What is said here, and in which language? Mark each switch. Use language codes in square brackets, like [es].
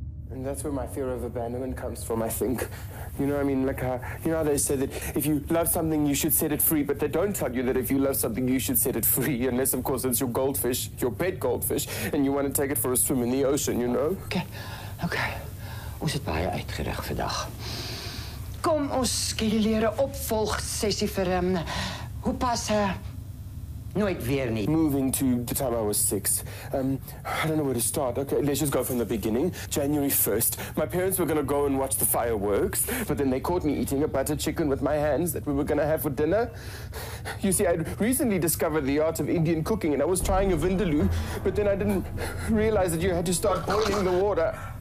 [en] And that's where my fear of abandonment comes from, I think. You know, I mean, like, you know how they say that if you love something, you should set it free, but they don't tell you that if you love something, you should set it free, unless, of course, it's your goldfish, your pet goldfish, and you want to take it for a swim in the ocean, you know? [af] Okay. Ons het baie uitgerig vandag. Kom, ons skeduleer 'n opvolgsessie vir hoe pas... Nooit weer nie. [en] Moving to the time I was 6. I don't know where to start. Okay, let's just go from the beginning. January 1st. My parents were gonna go and watch the fireworks, but then they caught me eating a butter chicken with my hands that we were gonna have for dinner. You see, I'd recently discovered the art of Indian cooking and I was trying a vindaloo, but then I didn't realize that you had to start boiling the water.